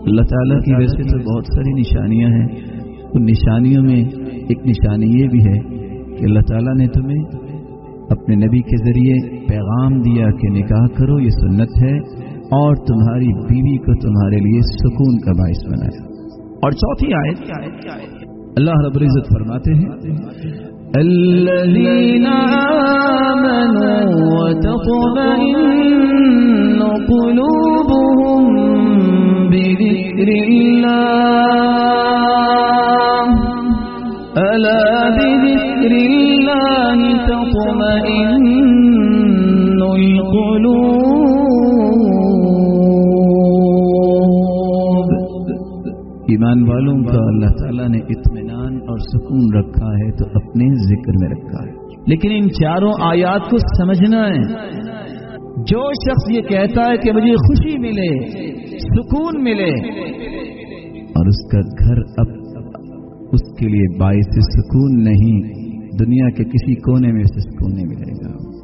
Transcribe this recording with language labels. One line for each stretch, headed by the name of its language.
Urdu: تعالیٰ کی ویسے تو بہت ساری نشانیاں ہیں. ان نشانیوں میں ایک نشانی یہ بھی ہے کہ اللہ تعالیٰ نے تمہیں اپنے نبی کے ذریعے پیغام دیا کہ نکاح کرو, یہ سنت ہے, اور تمہاری بیوی کو تمہارے لیے سکون کا باعث بنایا. اور چوتھی آیت اللہ رب العزت فرماتے ہیں,
Arabic: الذین آمنوا وتطمئن قلوبهم بذكر الله ألا بذكر الله تطمئن القلوب.
Urdu: ایمان والوں کا اللہ تعالیٰ نے اطمینان اور سکون رکھا ہے تو اپنے ذکر میں رکھا ہے. لیکن ان چاروں آیات کو سمجھنا ہے. جو شخص یہ کہتا ہے کہ مجھے خوشی ملے, سکون ملے, اور اس کا گھر اب اس کے لیے باعث سکون نہیں, دنیا کے کسی کونے میں اسے سکون نہیں ملے گا.